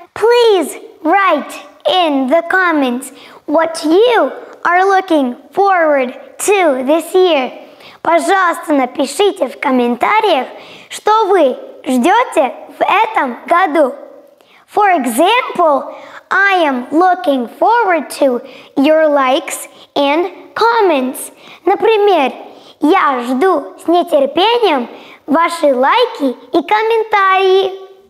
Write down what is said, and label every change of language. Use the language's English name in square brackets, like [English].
[English] Please write in the comments what you are looking forward to this year. [Russian] Пожалуйста, напишите в комментариях, что вы ждете в этом году. [English] For example, I am looking forward to your likes and comments. [Russian] Например, я жду с нетерпением ваши лайки и комментарии.